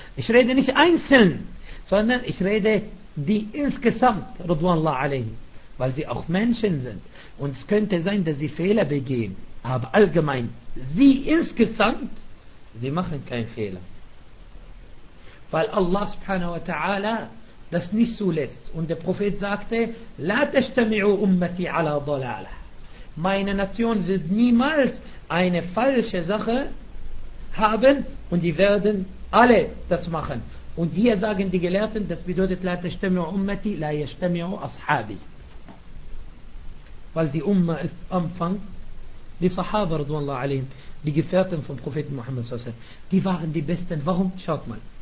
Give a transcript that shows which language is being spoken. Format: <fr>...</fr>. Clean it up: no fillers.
<de>Ich rede nicht einzeln, sondern ich rede die insgesamt, Radwallah alayhim. Weil sie auch Menschen sind. Und es könnte sein, dass sie Fehler begehen. Aber allgemein, sie insgesamt, sie machen keinen Fehler. Weil Allah subhanahu wa ta'ala das nicht zulässt. Und der Prophet sagte,</de> <ar>لا تجتمعوا أمتي على ضلالة.</ar> <de>Meine Nation wird niemals eine falsche Sache haben und die werden alle das machen. Und hier sagen die Gelehrten, das bedeutet,</de> <ar>لا تجتمعوا أمتي, لا يجتمعوا أصحابي.</ar> <de>Weil die Umma ist Anfang, die Sahaba, radhiyallahu anhum, die Gefährten vom Propheten Muhammad s.a.w. Die waren die Besten. Warum? Schaut mal.</de>